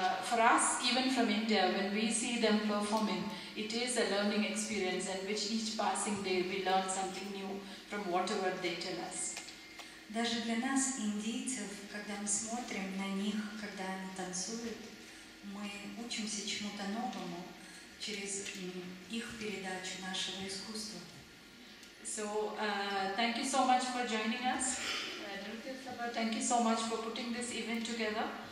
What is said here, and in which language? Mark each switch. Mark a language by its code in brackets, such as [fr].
[en] For us, even from India, when we see them performing, it is a learning experience in which each passing day we learn something new from whatever they tell us. [ru] Даже для нас, индийцев, когда мы смотрим на них, когда они танцуют, мы учимся чему-то новому через их передачу нашего искусства. [en] So thank you so much for joining us. Thank you so much for putting this event together.